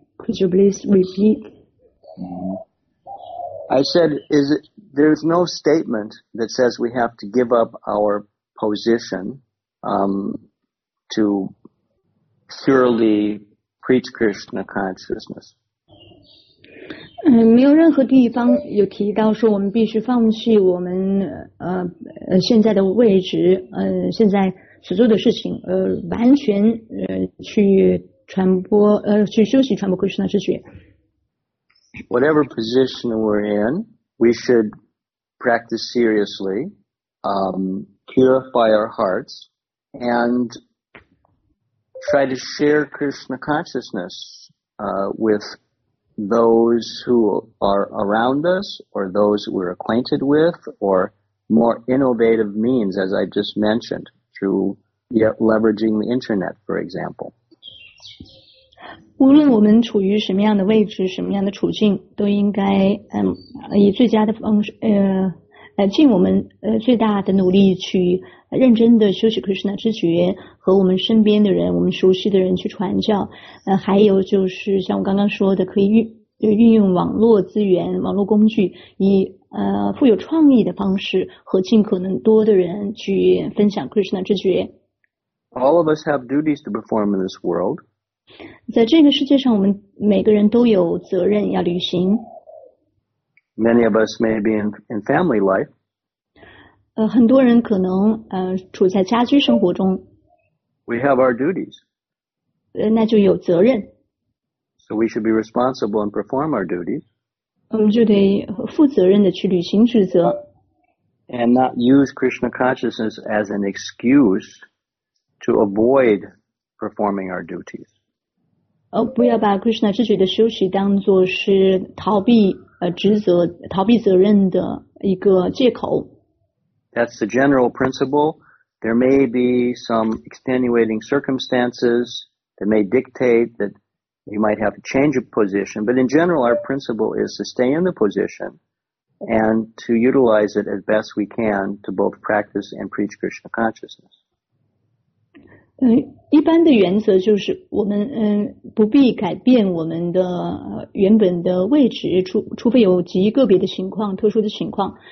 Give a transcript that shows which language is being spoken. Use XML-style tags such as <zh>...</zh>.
<en>Could you please repeat? I said, there's no statement that says we have to give up our position to purely preach Krishna consciousness.</en> <zh>没有任何地方有提到说我们必须放弃我们现在的位置，现在所做的事情，完全去传播，去修习传播 Krishna 之觉。</zh> <en>Whatever position we're in, we should practice seriously, purify our hearts, and try to share Krishna consciousness with. Those who are around us, or those we're acquainted with, or more innovative means, as I just mentioned, through leveraging the internet, for example.</en> <zh>无论我们处于什么样的位置，什么样的处境，都应该以最佳的方式尽我们最大的努力去认真的修习 Krishna 之觉，和我们身边的人，我们熟悉的人去传教。还有就是像我刚刚说的，可以运用网络资源、网络工具，以富有创意的方式和尽可能多的人去分享 Krishna 之觉。</zh> <en>All of us have duties to perform in this world.</en> <zh>在这个世界上，我们每个人都有责任要履行。</zh> <en>Many of us may be in family life.</en> <zh>很多人可能处在家居生活中。</zh> <en>We have our duties.</en> <zh>那就有责任。</zh> <en>So we should be responsible and perform our duties.</en> <zh>我们就得负责任的去履行职责。</zh> <en>And not use Krishna consciousness as an excuse to avoid performing our duties.</en> <zh>不要把 Krishna 之觉的修习当作是逃避职责、逃避责任的一个借口。</zh> <en>That's the general principle. There may be some extenuating circumstances that may dictate that you might have to change a position, but in general, our principle is to stay in the position and to utilize it as best we can to both practice and preach Krishna consciousness.</en> <zh>一般的原则就是我们不必改变我们的原本的位置，除非有极个别的情况、特殊的情况。</zh>